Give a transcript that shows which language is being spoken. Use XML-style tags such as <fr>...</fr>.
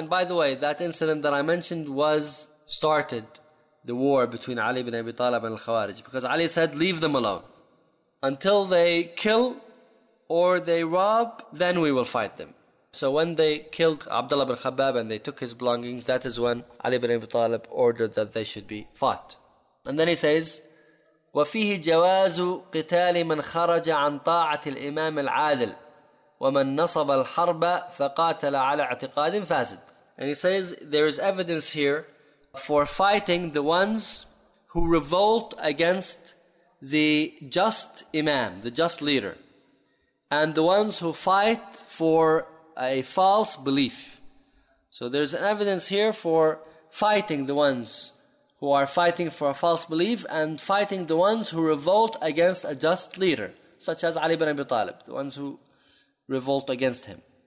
<en>And by the way, that incident that I mentioned started the war between Ali ibn Abi Talib and Al-Khawarij. Because Ali said, leave them alone. Until they kill or they rob, then we will fight them. So when they killed Abdullah bin Khabbab and they took his belongings, that is when Ali ibn Abi Talib ordered that they should be fought. And then he says,</en> <ar>وَفِيهِ جَوَازُ قِتَالِ مَنْ خَرَجَ عَنْ طَاعَةِ الْإِمَامِ الْعَادِلِ وَمَنْ نَصَبَ الْحَرْبَ فَقَاتَلَ عَلَى اعْتِقَادٍ فَاسِدٍ.</ar> <en>And he says, there is evidence here for fighting the ones who revolt against the just imam, the just leader, and the ones who fight for a false belief. So there's an evidence here for fighting the ones who are fighting for a false belief and fighting the ones who revolt against a just leader, such as Ali ibn Abi Talib, the ones who revolt against him.</en>